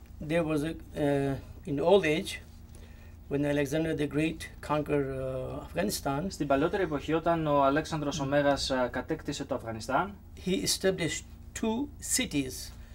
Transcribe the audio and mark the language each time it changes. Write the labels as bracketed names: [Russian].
[English] There was a, in the old age when Alexander the Great conquered Afghanistan. [Greek] Στην παλιότερη εποχή όταν ο Αλέξανδρος ο Μέγας κατέκτησε το Αφγανιστάν. [English] He established two cities.